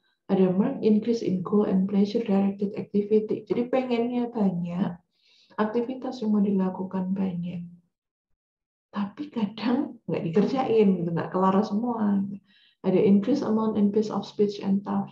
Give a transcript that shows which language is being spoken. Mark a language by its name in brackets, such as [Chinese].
[Indonesian] Ada [English] marked increase in goal and pleasure-directed activity. [Indonesian] Jadi pengennya banyak, aktivitas yang mau dilakukan banyak. Tapi kadang nggak dikerjain, nggak kelar semua. Ada [English] increase amount and pace of speech and talk.